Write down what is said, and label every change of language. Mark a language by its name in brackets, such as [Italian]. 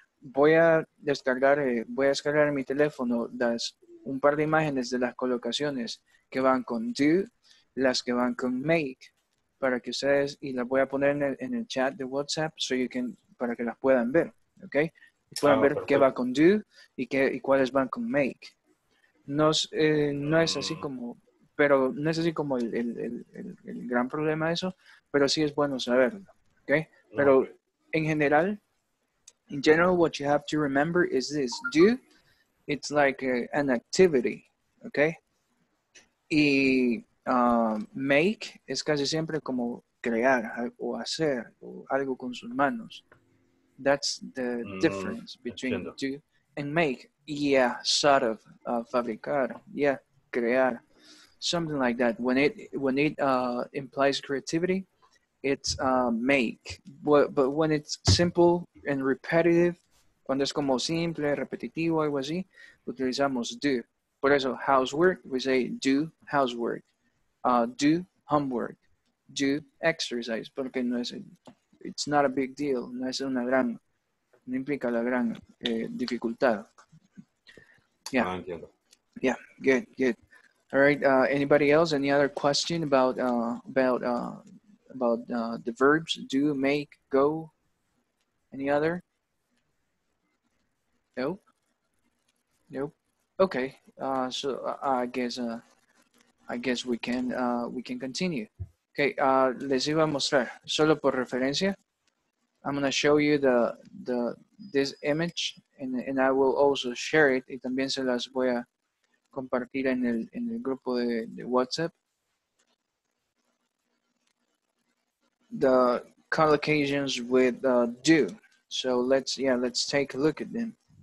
[Spanish] Voy a descargar, voy a descargar en mi teléfono las un par de imágenes de las colocaciones que van con do, las que van con make, para que ustedes, y las voy a poner en el chat de WhatsApp, [English] so you can, [Spanish] para que las puedan ver, ¿ok? Y puedan ver perfecto. Qué va con do y qué y cuáles van con make. No, no es así como, pero no es así como el gran problema de eso, pero sí es bueno saberlo, ¿ok? Pero en general, [English] in general, what you have to remember is this. Do, it's like an activity, okay? [Spanish] Y make es casi siempre como crear o hacer o algo con sus manos. [English] That's the difference between do and make. Yeah, sort of. Fabricar. Yeah, crear. Something like that. When it implies creativity, it's make. But when it's simple and repetitive, [Spanish] cuando es como simple, repetitivo, algo así, utilizamos do. Por eso, [English] housework, we say do housework. Do homework. Do exercise. [Spanish] Porque no es, [English] it's not a big deal. [Spanish] No es una gran, no implica la gran dificultad. [English] Yeah. [Spanish] Entiendo. [English] Yeah, good, good. All right, anybody else? Any other question about the verbs? Do, make, go? Any other? Nope. Okay. So I guess we can continue. Okay. [Spanish] Les iba a mostrar solo por referencia. [English] I'm gonna show you this image and I will also share it. [Spanish] Y también se las voy a compartir en el grupo de WhatsApp. [English] The collocations with do. So let's take a look at them.